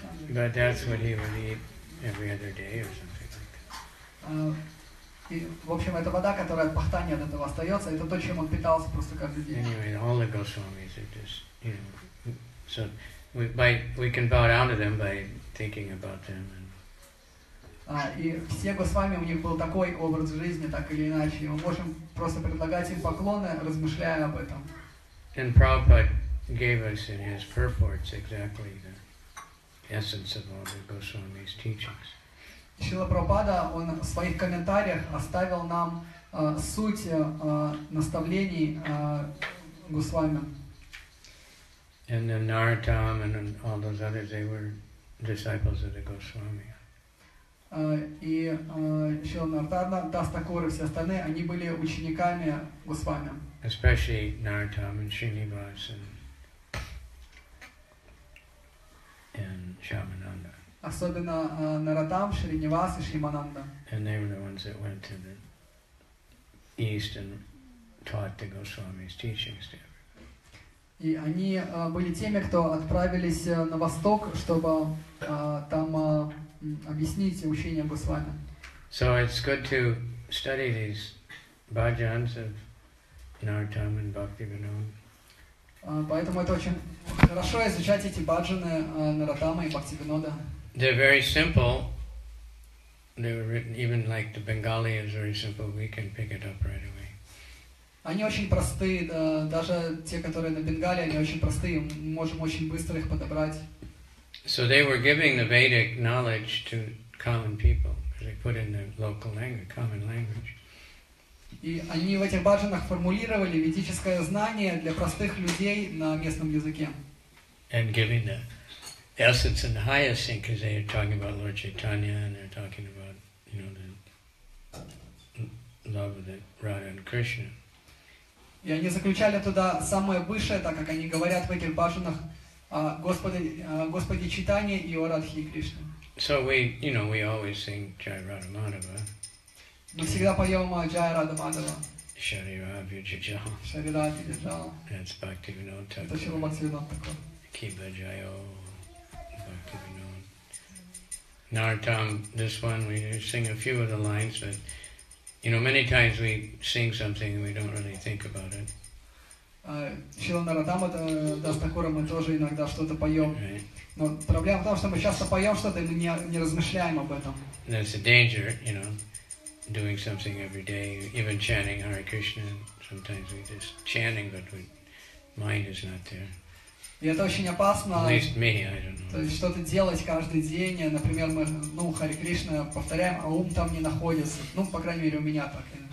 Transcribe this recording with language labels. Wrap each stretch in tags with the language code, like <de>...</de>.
<en>But that's what he would eat every other day or something like that.</en> <ru>И в общем это вода, которая от пахта не от этого остается, это то, чем он питался просто каждый день.</ru> <en>Anyway, all the Goswamis are just, you know, so we can bow down to them by thinking about them.</en> <ru>И все Госвами, у них был такой образ жизни, так или иначе. Мы можем просто предлагать им поклоны, размышляя об этом.</ru> <en>And Prabhupada gave us in his purports exactly the essence of all the Goswami's teachings.</en> <ru>Шрила Прабхупада, он в своих комментариях оставил нам суть наставлений Госвами.</ru> <en>And then Narottam and then all those others, they were disciples of the Goswami.</en> <ru>И Шрила Нартарна, Дастакура, все остальные, они были учениками Госвами.</ru> <en>Especially Narottam and Srinivas and Shyamananda.</en> <ru>Особенно Narottam, Srinivas и Shyamananda.</ru> <en>And they were the ones that went to the east and taught the Goswami's teachings to everyone.</en> <ru>И они были теми, кто отправились на восток, чтобы там объяснить учение Госвами.</ru> <en>So it's good to study these bhajans of Narottam and Bhaktivinoda.</en> <ru>Поэтому это очень хорошо изучать эти баджаны Нараттама и Бхактивинода.</ru> <en>They're very simple. They were written even like the Bengali is very simple. We can pick it up right away.</en> <ru>Они очень простые, даже те, которые на Бенгале, они очень простые. Мы можем очень быстро их подобрать.</ru> <en>So they were giving the Vedic knowledge to common people. They put in the local language, common language.</en> <ru>И они в этих баджанах формулировали ведическое знание для простых людей на местном языке.</ru> <en>And giving the essence and the highest thing, because they are talking about Lord Chaitanya and they're talking about, you know, the love with Radha and Krishna.</en> <ru>И они заключали туда самое высшее, так как они говорят в этих бажанах, Господи Читания и о Радхе и Кришне.</ru> <en>So we, you know, we always sing Jai Radha Madhava.</en> <ru>Мы всегда поем Jai Radha Madhava.</ru> <bn>Shri Radha Jajal. Shri Radha Jajal.</bn> <en>That's Bhakti Vinod Thakur.</en> <ru>Это Шрила Бхактивинод Такур.</ru> <bn>Kiba Jayo. Bhakti Vinod.</bn> <en>Nartam, this one, we sing a few of the lines, but you know, many times we sing something and we don't really think about it.</en> <ru>Шрила Нартам, это Дастакура, мы тоже иногда что-то поем. Но проблема в том, что мы часто поем что-то и мы не размышляем об этом.</ru> <en>There's a danger, you know, doing something every day, even chanting Hare Krishna. Sometimes we just chanting, but our mind is not there.</en> <ru>И это очень опасно.</ru> <en>At least me, I don't know.</en> <ru>То есть что-то делать каждый день, например, мы, ну, Харе Кришна повторяем, а ум там не находится. Ну, по крайней мере, у меня так.</ru>